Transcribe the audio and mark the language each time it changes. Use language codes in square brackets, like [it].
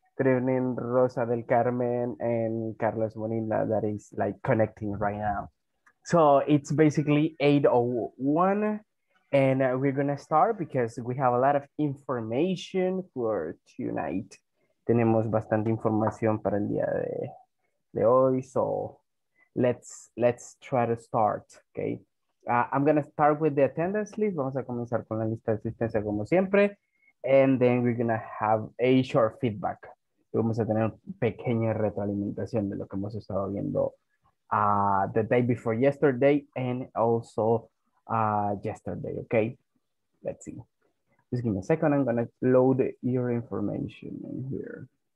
[en] Good evening, Rosa del Carmen and Carlos Molina that is like connecting right now. So, it's basically 8:01. And we're going to start because we have a lot of information for tonight. [es] Tenemos bastante información para el día de hoy. [en] So let's try to start, okay? I'm going to start with the attendance list. [es] Vamos a comenzar con la lista de asistencia como siempre. [en] And then we're going to have a short feedback. [es] Vamos a tener pequeña retroalimentación de lo que hemos estado viendo [en] the day before yesterday and also yesterday, okay? Let's see. Just give me a second. I'm going to load your information in here.